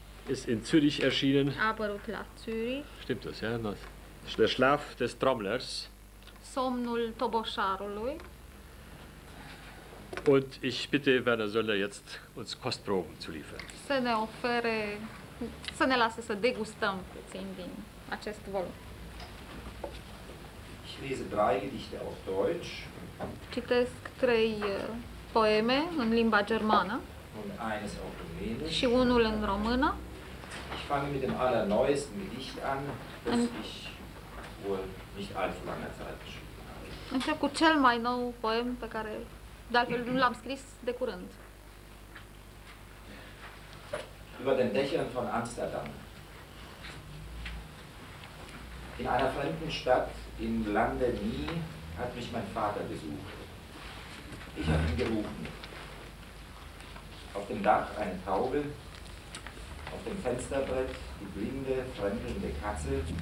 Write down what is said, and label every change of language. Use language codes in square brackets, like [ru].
[de] Ist in Zürich erschienen. [ro] Apărut la Zürich. [de] Stimmt das, ja? Not. Der Schlaf des Trommlers. [ro] Somnul Toboșarului. [de] Und ich bitte Werner Söller jetzt uns Kostproben zu liefern. [ro] Să ne ofere, să ne lase să degustăm puțin din acest volum. [de] Ich lese drei Gedichte auf Deutsch. [ro] Citesc trei poeme în limba germană. [de] Und eines auf Rumänisch. [ro] Și unul în română. [de] Ich fange mit dem allerneuesten Gedicht an, ich wohl nicht allzu lange Zeit geschrieben. [ro] Încep cu cel mai nou poem pe care de altfel nu l-am scris de curând. [de] Über den Dächern von Amsterdam. In einer fremden Stadt im Lande nie hat mich mein Vater besucht. Ich habe ihn gerufen. Auf dem Dach eine Taube, auf dem Fensterbrett die blinde, fremdelnde Katze.